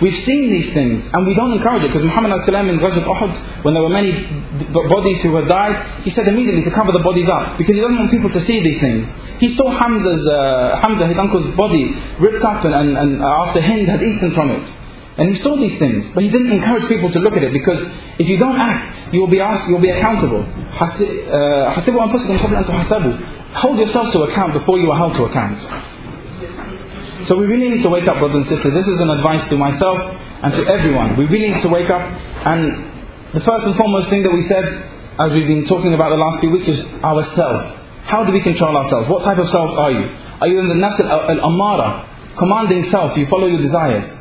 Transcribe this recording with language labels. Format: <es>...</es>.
<en>We've seen these things, and we don't encourage it. Because Muhammad ﷺ in Ghazwat Uhud, when there were many bodies who had died, he said immediately to cover the bodies up. Because he doesn't want people to see these things. He saw Hamza, his uncle's body, ripped up and after Hind had eaten from it. And he saw these things, but he didn't encourage people to look at it, because if you don't act, you will be asked, you will be accountable.</en> <ar>حسبوا أنفسكم قبل أن تحسبوا.</ar> <en>Hold yourselves to account before you are held to account. So we really need to wake up, brothers and sisters. This is an advice to myself and to everyone. We really need to wake up. And the first and foremost thing that we said, as we've been talking about the last few weeks, is ourself. How do we control ourselves? What type of self are you? Are you in the nafs al-amara, commanding self, you follow your desires?</en>